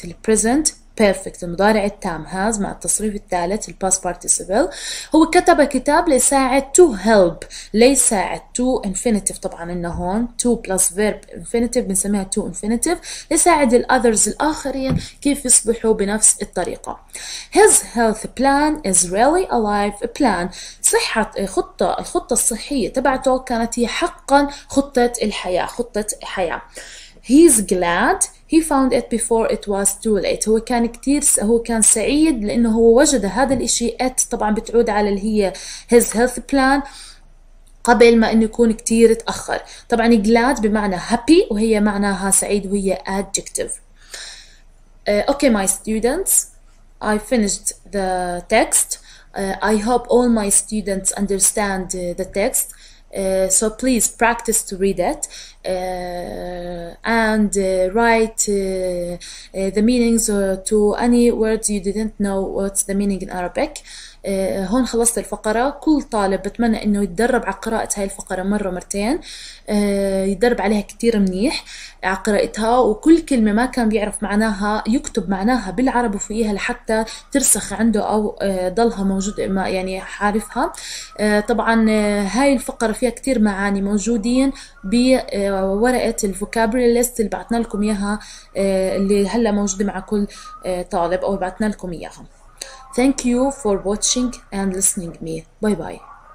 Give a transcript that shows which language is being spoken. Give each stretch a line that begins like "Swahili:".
English: The present perfect
Arabic: المضارع التام
English: has
Arabic: مع التصريف الثالث الـ
English: past participle.
Arabic: هو كتب كتاب ليساعد to help, ليساعد to infinitive طبعا انه هون to plus verb infinitive بنسميها to infinitive, ليساعد الـ others الآخرين كيف يصبحوا بنفس الطريقة.
English: His health plan is really a life plan.
Arabic: صحة خطة, الخطة الصحية تبعته كانت هي حقا خطة الحياة, خطة حياة.
English: He's glad he found it before it was too late.
Arabic: هو كان كتير هو كان سعيد لأنه هو وجد هذا الإشي. It طبعا بتعود على اللي هي his health plan قبل ما إنه يكون كتير تأخر. طبعا glad بمعنى happy وهي معناها سعيد وهي adjective.
English: Okay my students, I finished the text. I hope all my students understand the text. So please practice to read it and write the meanings to any words you didn't know what's the meaning in Arabic.
Arabic: هون خلصت الفقرة. كل طالب بتمنى انه يتدرب على قراءة هاي الفقرة مرة مرتين, يتدرب عليها كتير منيح على قراءتها, وكل كلمة ما كان بيعرف معناها يكتب معناها بالعرب وفيها لحتى ترسخ عنده او ضلها موجودة ما يعني حارفها. طبعا هاي الفقرة فيها كتير معاني موجودين بورقة الفوكابري ليست اللي بعتنا لكم اياها, اللي هلا موجودة مع كل طالب او بعتنا لكم اياها.
English: Thank you for watching and listening to me. Bye-bye.